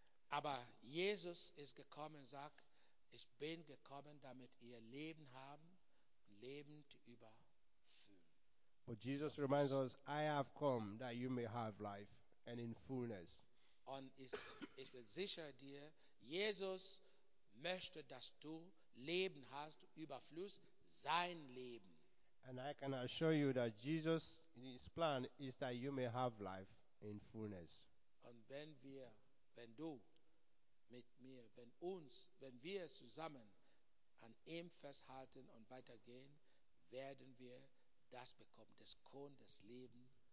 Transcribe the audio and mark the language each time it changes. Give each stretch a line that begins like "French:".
German: Aber Jesus ist gekommen und sagt, ich bin gekommen, damit ihr Leben haben, Leben zu überfüllen.
English: But Jesus reminds us, I have come that you may have life and in fullness.
German: Und ich versichere dir, Jesus möchte, dass du Leben hast, Überfluss, sein Leben.
English: And I can assure you that Jesus, his plan is that you may have life in fullness.
German: Und wenn du mit mir, wenn wir zusammen an ihm festhalten und weitergehen, werden wir das bekommen, das Korn des Lebens.